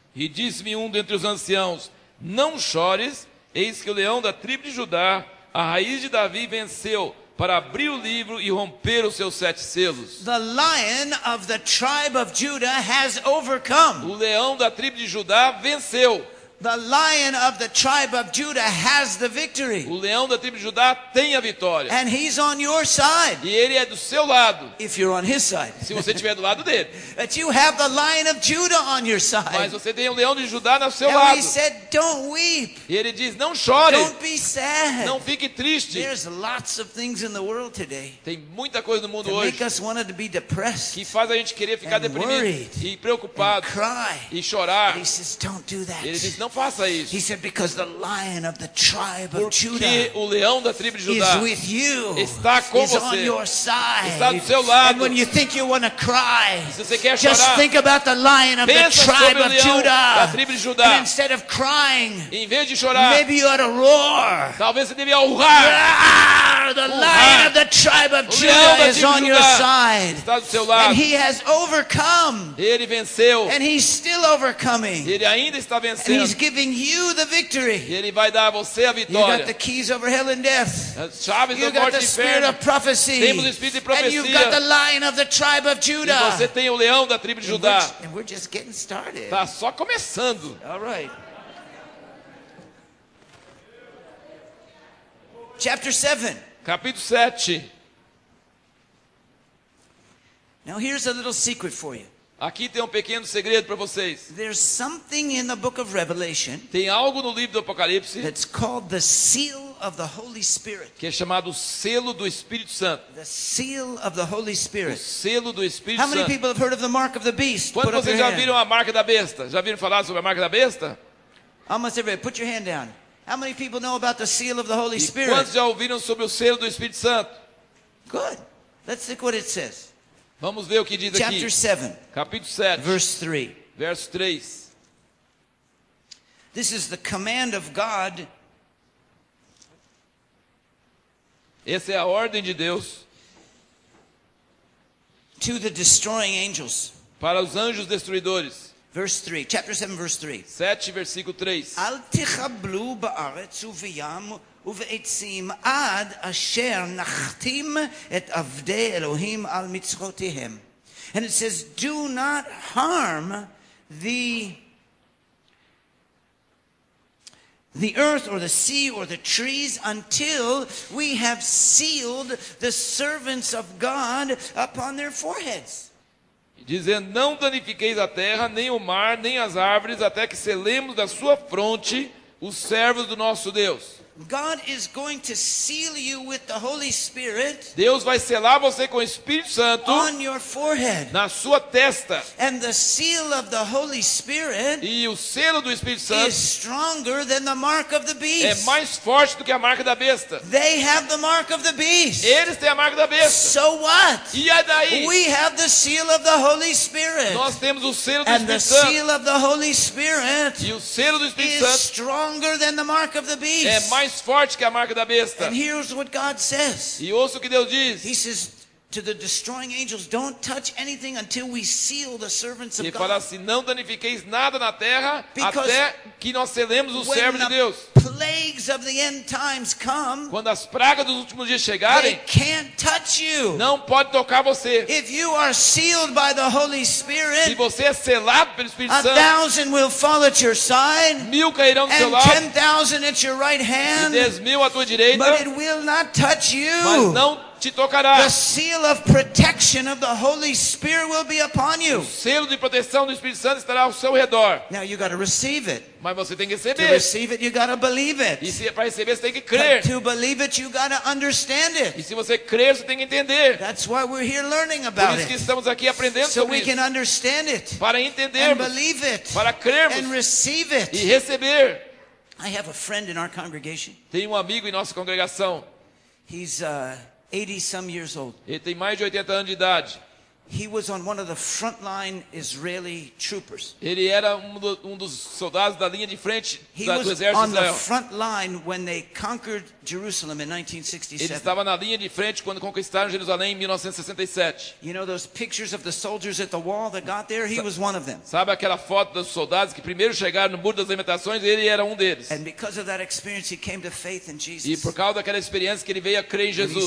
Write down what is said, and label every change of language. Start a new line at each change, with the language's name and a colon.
Portuguese: E disse-me dentre os anciãos, não chores, eis que o leão da tribo de Judá, a raiz de Davi, venceu para abrir o livro e romper os seus sete selos.
English: The lion of the tribe of Judah has overcome.
Portuguese: O leão da tribo de Judá venceu.
English: The lion of the tribe of Judah has the victory.
Portuguese: O leão da tribo de Judá tem a vitória.
English: And he's on your side.
Portuguese: E ele é do seu lado.
English: If you're on his side.
Portuguese: Se você estiver do lado dele.
English: But you have the lion of Judah on your side.
Portuguese: Mas você tem o leão de Judá no seu
English: and
Portuguese: lado.
English: He said, "Don't weep."
Portuguese: E ele diz, não chore.
English: Don't be sad.
Portuguese: Não fique triste.
English: There's lots of things in the world today.
Portuguese: Tem muita coisa no mundo hoje.
English: Make us want to be depressed.
Portuguese: Que faz a gente querer ficar
English: and
Portuguese: deprimido
English: worried,
Portuguese: e preocupado.
English: And cry.
Portuguese: E chorar.
English: And he says, "Don't do that."
Portuguese: Ele diz, não faça isso.
English: He said, because the lion of the tribe of
Portuguese: porque o leão da tribo de Judá está com
English: is
Portuguese: você
English: on your side.
Portuguese: Está do seu lado.
English: And when you think you want to cry,
Portuguese: se você quer chorar,
English: just think about the lion of the tribe of Judah.
Portuguese: Da tribo de Judá.
English: And instead of crying,
Portuguese: em vez de chorar,
English: maybe you ought to roar.
Portuguese: Talvez você devia urrar.
English: The lion of the tribe of Judah is on your side.
Portuguese: Está do seu lado.
English: And he has overcome.
Portuguese: Ele venceu.
English: And he's still overcoming.
Portuguese: Ele ainda está vencendo.
English: He's giving you the victory.
Portuguese: Ele vai dar a você a vitória.
English: You got the keys over hell and death.
Portuguese: As chaves
English: you
Portuguese: da morte
English: got the spirit of prophecy.
Portuguese: Temos o espírito de profecia.
English: And you've got the lion of the tribe of Judah.
Portuguese: E você tem o leão da tribo de Judá.
English: And we're just getting started.
Portuguese: Tá só começando.
English: All right. Chapter 7.
Portuguese: Capítulo 7.
English: Now here's a little secret for you.
Portuguese: Aqui tem um pequeno segredo para vocês.
English: There's something in the book of Revelation.
Portuguese: Tem algo no livro do Apocalipse.
English: That's called the seal of the Holy Spirit.
Portuguese: Que é chamado selo do Espírito Santo.
English: The seal of the Holy Spirit.
Portuguese: O selo do Espírito Santo.
English: How many people have heard of the mark of the beast?
Portuguese: Quantos vocês já viram a marca da besta? Já viram falar sobre a marca da besta?
English: Almost everybody, put your hand down. How many people know about the seal of the Holy Spirit?
Portuguese: Quantos já ouviram sobre o selo do Espírito Santo?
English: Good. Let's look what it says.
Portuguese: Vamos ver o que diz
English: chapter
Portuguese: aqui.
English: 7,
Portuguese: capítulo 7.
English: Verse 3.
Portuguese: Verso 3.
English: This is the command of God.
Portuguese: Essa é a ordem de Deus.
English: To the destroying angels.
Portuguese: Para os anjos destruidores.
English: Verse 3, chapter 7 verse 3.
Portuguese: 7 versículo 3.
Hebrew: Al tichablu ba'aretz uviyam ובעצים עד אשר נחתים את עבדי אלוהים על מצחותיהם.
English: And it says, do not harm the the earth or the sea or the trees until we have sealed the servants of God upon their foreheads.
Portuguese: Dizendo, não danifiqueis a terra, nem o mar, nem as árvores, até que selemos da sua fronte os servos do nosso Deus.
English: God is going to seal you with the Holy Spirit.
Portuguese: Deus vai selar você com o Espírito Santo.
English: On your forehead.
Portuguese: Na sua testa.
English: And the seal of the Holy Spirit.
Portuguese: E o selo do Espírito Santo.
English: Is stronger than the mark of the beast.
Portuguese: É mais forte do que a marca da besta.
English: They have the mark of the beast.
Portuguese: Eles têm a marca da besta.
English: So what?
Portuguese: E é daí?
English: We have the seal of the Holy Spirit.
Portuguese: Nós temos o selo do
English: and
Portuguese: Espírito
English: the
Portuguese: Santo.
English: Seal of the Holy Spirit.
Portuguese: E o selo do Espírito
English: is
Portuguese: Santo.
English: Is stronger than the mark of the beast.
Portuguese: É mais forte que a marca da besta.
English: And here's what God says.
Portuguese: E ouça o que Deus diz.
English: He says to the destroying angels, don't touch anything until we seal the servants of God.
Portuguese: E fala assim, não danifiqueis nada na terra até que nós selemos os servos de Deus.
English: Plagues of the end times come.
Portuguese: Quando as pragas dos últimos dias chegarem,
English: they can't touch you.
Portuguese: Não pode tocar você.
English: If you are sealed by the Holy Spirit,
Portuguese: se você é selado pelo Espírito Santo,
English: 1,000 will fall at your side,
Portuguese: mil cairão do seu lado,
English: 10,000 at your right hand,
Portuguese: e 10,000 à tua direita,
English: but it will not touch you.
Portuguese: Mas não te tocará.
English: The seal of protection of the Holy Spirit will be upon you.
Portuguese: O selo de proteção do Espírito Santo estará ao seu redor.
English: Now you got to receive it.
Portuguese: Mas você tem que receber.
English: To receive it, you got to believe it.
Portuguese: E se para receber, você tem que crer.
English: To believe it, you got to understand it.
Portuguese: E se você crer, você tem que entender.
English: That's why we're here learning about it.
Portuguese: Por isso que estamos aqui aprendendo sobre isso.
English: So we can understand it.
Portuguese: Para entendermos.
English: And believe it.
Portuguese: Para crermos.
English: And receive it.
Portuguese: E receber.
English: I have a friend in our congregation.
Portuguese: Tem amigo em nossa congregação.
English: He's 80 some years old.
Portuguese: Ele tem mais de 80 anos de idade.
English: He was on one of the front line Israeli troopers.
Portuguese: Ele era um dos soldados da linha de frente do exército israelita.
English: He was on the front line when they conquered Jerusalem in 1967.
Portuguese: Ele estava na linha de frente quando conquistaram Jerusalém em 1967.
English: You know those pictures of the soldiers at the wall that got there? He was one of them.
Portuguese: Sabe aquela foto dos soldados que primeiro chegaram no muro das lamentações? Ele era um deles.
English: And because of that experience, he came to faith in Jesus.
Portuguese: E por causa daquela experiência que ele veio a crer em Jesus.